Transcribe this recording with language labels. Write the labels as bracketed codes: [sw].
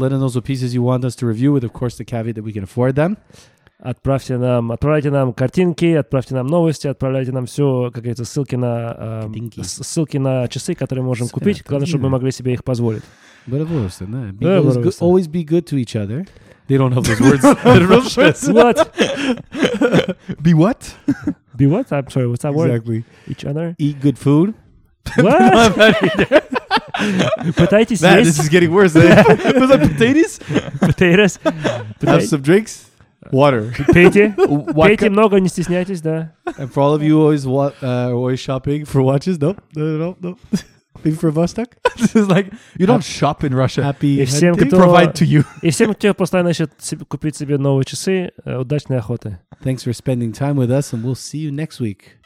[en] Let us know what pieces you want us to review, with, of course, the caveat that we can afford them. [ru] Отправляйте нам картинки, отправьте нам новости, отправляйте нам все, как говорится, ссылки на часы, которые мы можем купить. Главное, чтобы мы могли себе их позволить. [en] Always be good to each other. They don't have those words. What? Be what? Be what? I'm sorry. What's that exactly. word? Exactly. Each other. Eat good food. What? No, potatoes. Man, this is getting worse. Was that potatoes? Potatoes. Have some drinks. Water. [ru] Pейте. Пейте много, не стесняйтесь, да. [en] And for all of you always always shopping for watches. No. Maybe for Vostok? This is like, you don't shop in Russia. Happy provide to you. [ru] И всем, кто постоянно ищет купить себе новые часы, удачной охоты. [en] Thanks for spending time with us and we'll see you next week.